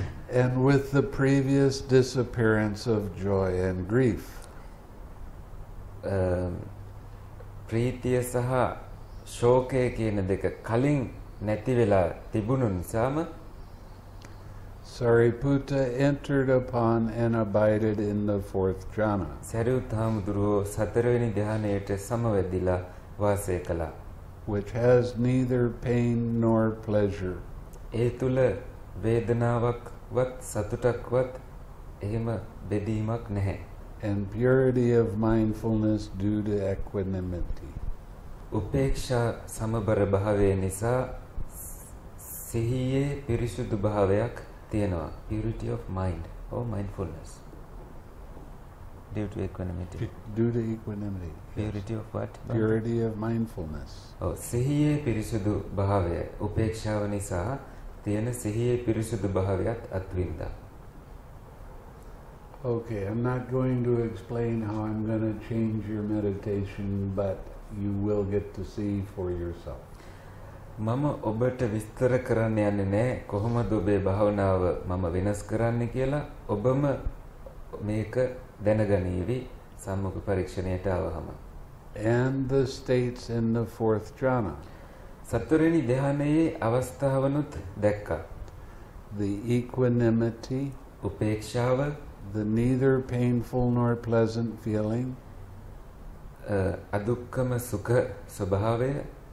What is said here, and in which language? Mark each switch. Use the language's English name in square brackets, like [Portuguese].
[English] And with the previous disappearance of joy and grief. [Sinhala] ප්‍රීතිය සහ ශෝකය කියන දෙක කලින් නැති වෙලා තිබුණු නිසාම [English] Sariputta entered upon and abided in the fourth jhana. [Sinhala] Sariputta සතරවෙනි ධ්‍යානයට සමවැදිලා වාසය කළා. [English] Which has neither pain nor pleasure. [Sinhala] ඒ තුල වේදනාවක්වත් සතුටක්වත් එහෙම බෙදීමක් නැහැ. [English] And purity of mindfulness due to equanimity. [Sinhala] උපේක්ෂා සමබර භාවය නිසා සිහියේ පිරිසුදු භාවයක් තියෙනවා. [English] Purity of mind or mindfulness due to equanimity. Purity of what? Purity of mindfulness. [Sinhala] Oh, සිහියේ පිරිසුදු භාවය උපේක්ෂාව නිසා තියෙන සිහියේ පිරිසුදු භාවයත් අත්විඳා. [English] Okay, I'm not going to explain how I'm going to change your meditation, but you will get to see for yourself. [Sinhala] මම ඔබට විස්තර කරන්න යන්නේ නැහැ කොහොමද ඔබේ භාවනාව මම වෙනස් කරන්නේ කියලා. ඔබම මේක දැනගනීවි සම්මුඛ පරීක්ෂණයට ආවහම. [English] And the states in the fourth jhana. [Sinhala] සතරවෙනි ධ්‍යානයේ අවස්ථාවනුත් දැක්කා. [English] The equanimity. [Sinhala] උපේක්ෂාව. [English] the neither painful nor pleasant feeling. [Sinhala] Adukkama sukha svabhavaya.